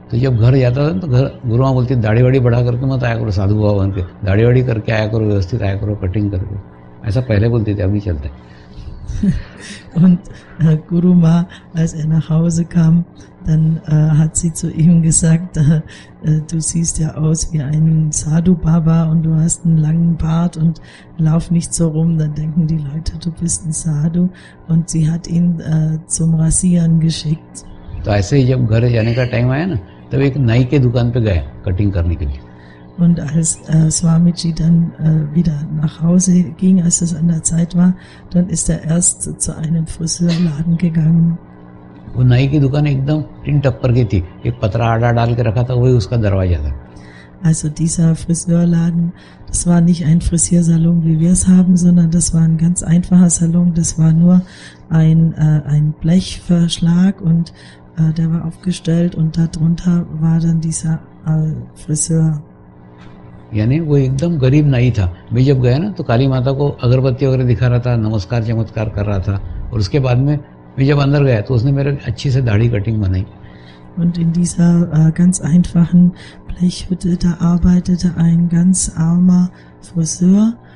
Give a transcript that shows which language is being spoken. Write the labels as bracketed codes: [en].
[hi] तो जब घर जाता था तो घर गुरुआ बोलते, दाढ़ी वाड़ी बढ़ा करके मत आया करो साधु बाबा बन के, दाढ़ी वाड़ी करके आया करो, व्यवस्थित आया करो, कटिंग करके, ऐसा पहले बोलते थे, अभी चलता है। [de] Und Guru Ma, als er nach Hause kam, dann hat sie zu ihm gesagt, du siehst ja aus wie ein Sadhu Baba und du hast einen langen Bart und lauf nicht so rum, dann denken die Leute, du bist ein Sadhu. Und sie hat ihn zum Rasieren geschickt. [hi] तो ऐसे ही जब घर जाने का time आया ना, तब एक नाई के दुकान पे गया कटिंग करने के लिए। [de] Und als Swamiji dann wieder nach Hause ging, als es an der Zeit war, dann ist erst zu einem Friseurladen gegangen. [hi] वो नाई की दुकान एकदम टिन टप्पर की थी, एक पतरा आड़ा डाल के रखा था, वही उसका दरवाजा था। [de] Also dieser Friseurladen, das war nicht ein Frisiersalon, wie wir es haben, sondern das war ein ganz einfacher Salon. Das war nur ein Blechverschlag und der war aufgestellt und darunter war dann dieser Friseur. [hi] यानी वो एकदम गरीब नहीं था। मैं जब गया ना, तो काली माता को अगरबत्ती वगैरह दिखा रहा था, नमस्कार चमत्कार कर रहा था, और उसके बाद में मैं जब अंदर गया तो उसने मेरे अच्छी से दाढ़ी कटिंग बनाई। [de] Und in dieser ganz einfachen Blechhütte, da arbeitete ein ganz armer Friseur.